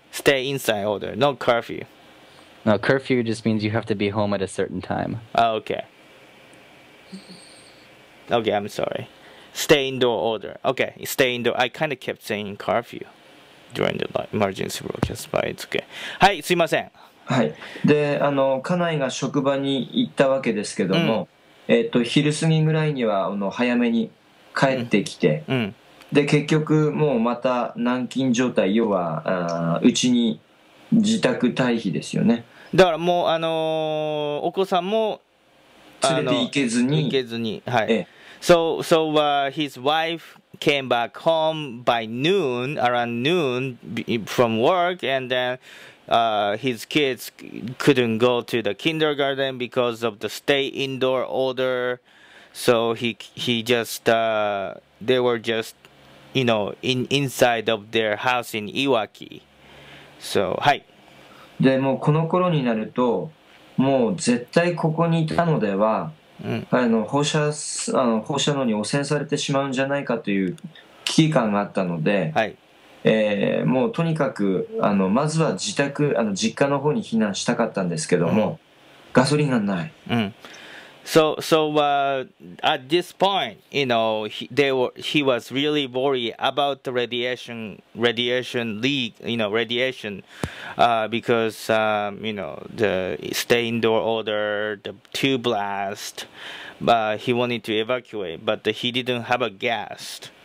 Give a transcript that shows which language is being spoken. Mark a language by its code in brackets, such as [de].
[en] Stay inside order, no curfew. No, curfew just means you have to be home at a certain time. Oh, okay. Okay, I'm sorry. Stay indoor order. Okay, stay indoor. I kind of kept saying curfew during the emergency broadcast, but it's okay. [ja] はい、すいません。はい。で、家内が職場に行ったわけですけども、昼過ぎぐらいには早めに帰ってきて、で、結局もうまた軟禁状態、要は、うちに自宅退避ですよね。だからもうお子さんも連れて行けずに、はい。 [en] ええ、so his wife came back home by noon, around noon from work, and then his kids couldn't go to the kindergarten because of the stay indoor order. So he just they were just you know inside of their house in Iwaki. So はい。 [ja] でもこの頃になるともう絶対ここにいたのでは、うん、放射能に汚染されてしまうんじゃないかという危機感があったので、はい、もうとにかくまずは自宅実家の方に避難したかったんですけども、うん、ガソリンがない、 [en] うん、So at this point you know he was really worried about the radiation leak you know radiationbecause, you know, the stay indoor order, the two blast, but he wanted to evacuate, but he didn't have a gas.